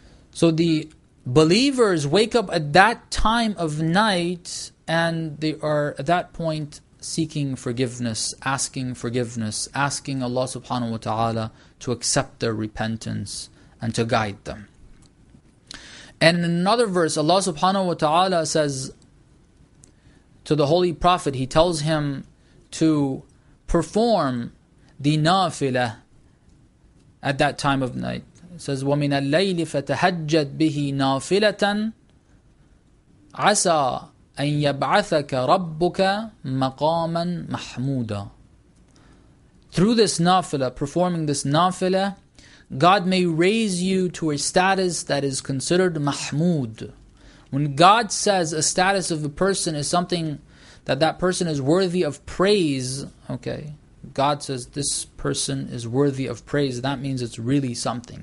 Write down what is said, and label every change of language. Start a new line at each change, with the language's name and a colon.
English: So the believers wake up at that time of night and they are at that point seeking forgiveness, asking Allah subhanahu wa ta'ala to accept their repentance and to guide them. And in another verse, Allah subhanahu wa ta'ala says to the Holy Prophet, he tells him to perform the nafilah at that time of night. It says,
Arabic: وَمِنَ اللَّيْلِ فَتَهَجَّدْ بِهِ نَافِلَةً عَسَىٰ أَن يَبْعَثَكَ رَبُّكَ مَقَامًا مَحْمُودًا.
English: Through this nafilah, performing this nafilah, God may raise you to a status that is considered mahmud. When God says a status of a person is something that person is worthy of praise, okay, God says this person is worthy of praise, that means it's really something.